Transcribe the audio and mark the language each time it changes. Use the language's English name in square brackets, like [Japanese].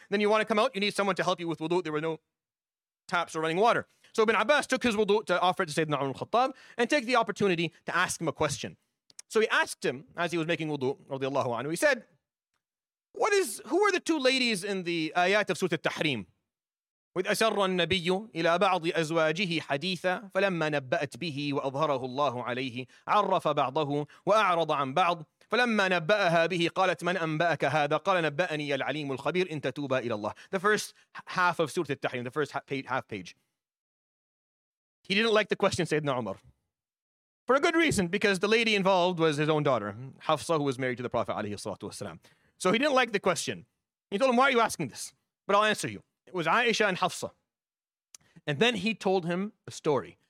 [English] Then you want to come out. You need someone to help you with wudu. There were no taps or running water. So Ibn Abbas took his wudu to offer it to Sayyidina Umar al-Khattab and take the opportunity to ask him a question. So he asked him, as he was making wudu, radiallahu anhu, he said, who are the two ladies in the ayat of Surah Al-Tahrim? [Arabic] With أسر النبي إلى بعض أزواجه حديثا فلما نبأت به وأظهره الله عليه عرف بعضه وأعرض عن بعض فلما نبأها به قالت من أنبأك هذا قال نبأني العليم الخبير إن تتوبا إلى الله. [English] The first half of Surah Al-Tahrim, the first half page. He didn't like the question, Sayyidina Umar. For a good reason, because the lady involved was his own daughter, Hafsa, who was married to the Prophet alayhi salatu wasalam. So he didn't like the question. He told him, why are you asking this? But I'll answer you. It was Aisha and Hafsa. And then he told him a story.